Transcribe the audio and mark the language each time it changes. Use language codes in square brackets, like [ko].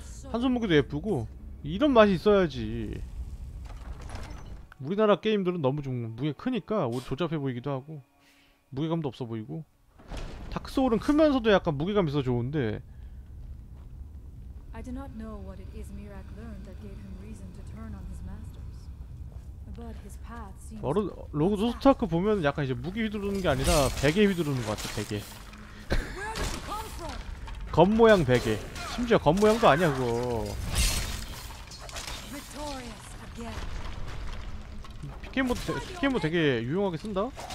[ko] 한손 무기도 예쁘고, 이런 맛이 있어야지. 우리나라 게임들은 너무 좀 무게 크니까 오히려 조잡해 보이기도 하고, 무게감도 없어 보이고. 다크소울은 크면서도 약간 무게감 있어 좋은데. [en] I do not know what it is Mirak learned that gave him reason to turn on his masters. But his path seems. [ko] 로그 로스트아크 보면 약간 이제 무기 휘두르는 게 아니라 베개 휘두르는 것 같아. 베개. 겉 모양 베개. 심지어 겉 모양도 아니야 그거. 피켓모 되게 유용하게 쓴다?